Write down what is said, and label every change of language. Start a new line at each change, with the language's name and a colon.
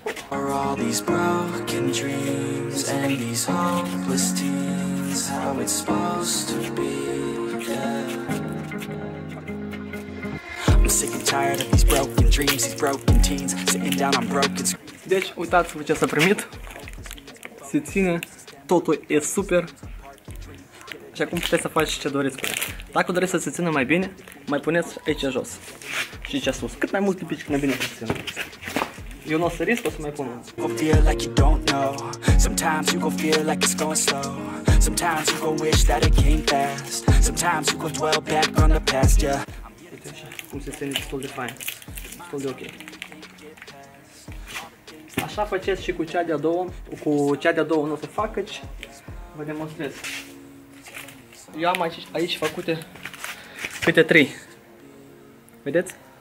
English: Are all these broken dreams and these hopeless teens how it's supposed to be? Yeah. I'm sick and tired of these broken dreams, these broken teens sitting down on broken.
Romanian: Deci, uitați-vă ce s-a primit. Se ține, totul e super. Și acum puteți să faceți ce doriți cu ea. Dacă doriți să se țină mai bine, mai puneți aici jos. Și aici sus, cât mai mult lipici, cât mai bine se țină. Eu n-o să risc, o să mai pun.
English: Feel like you don't know. Sometimes you go feel like it's going slow. Sometimes you go wish that it came fast. Sometimes you go dwell back on the past, yeah.
Romanian: Uite așa, cum se ține destul de fain. Destul de ok. Așa faceți și cu cea de-a doua. Cu cea de-a doua nu o să fac, căci vă demonstrez. Eu am aici făcute câte 3. Vedeți?